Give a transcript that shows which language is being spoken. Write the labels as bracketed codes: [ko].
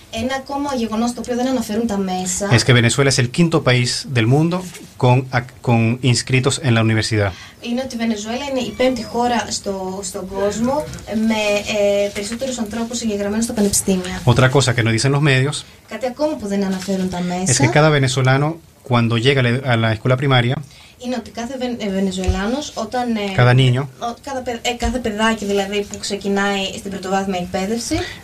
[el] Ένα ακόμα γεγονός το οποίο δεν αναφέρουν τα μέσα. [es] Es que Venezuela es el quinto país del mundo con inscritos en la universidad. [el] Είναι ότι η Βενεζουέλα είναι η πέμπτη χώρα στον κόσμο με περισσότερους ανθρώπους εγγεγραμμένους στα πανεπιστήμια. [es] Otra cosa que nos dicen los medios. [el] Κάτι ακόμα που δεν αναφέρουν τα μέσα. [es] Es que cada venezolano cuando llega a la escuela primaria. [el] Είναι ότι κάθε Βενεζουελάνος όταν. [es] Cada niño. [el] Κάθε παιδάκι δηλαδή που ξεκινάει στην πρωτοβάθμια εκπαίδευση.